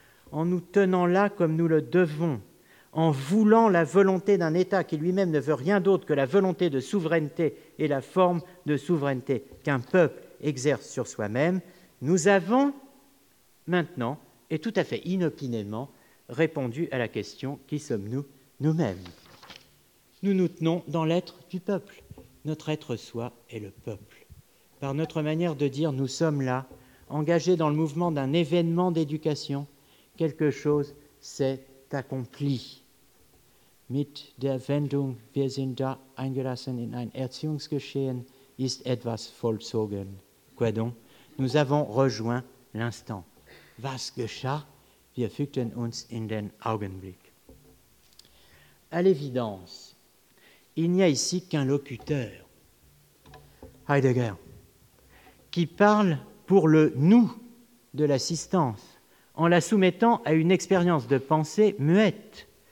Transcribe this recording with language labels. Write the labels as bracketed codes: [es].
[fr] En nous tenant là comme nous le devons, en voulant la volonté d'un État qui lui-même ne veut rien d'autre que la volonté de souveraineté et la forme de souveraineté qu'un peuple exerce sur soi-même, nous avons maintenant, et tout à fait inopinément, répondu à la question « Qui sommes-nous nous-mêmes ?» Nous nous tenons dans l'être du peuple. Notre être-soi est le peuple. Par notre manière de dire « Nous sommes là », engagés dans le mouvement d'un événement d'éducation, quelque chose s'est accompli. [de] Mit der Wendung, wir sind da eingelassen in ein Erziehungsgeschehen, ist etwas vollzogen. [fr] Quoi donc? Nous avons rejoint l'instant. [de] Was geschah? Wir fügten uns in den Augenblick. [fr] À l'évidence, il n'y a ici qu'un locuteur, Heidegger, qui parle pour le nous de l'assistance, en la soumettant à une expérience de pensée muette.